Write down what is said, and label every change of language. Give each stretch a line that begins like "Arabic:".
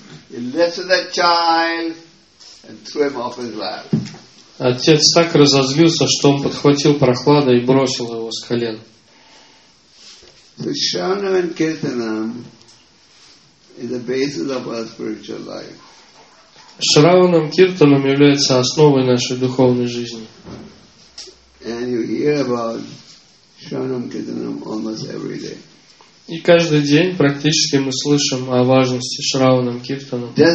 English: He lifted the child and threw him off his lap.
Russian: Отец так разозлился, что он подхватил Прохлада и бросил его с колен.
English: So Sharanam and Kirtanam is the basis of our spiritual life.
Russian: Шраванам Киртанам является основой нашей духовной жизни.
English: And you hear about Sharanam Kirtanam almost every day.
Russian: И каждый день практически мы слышим о важности Шраванам Киртанам.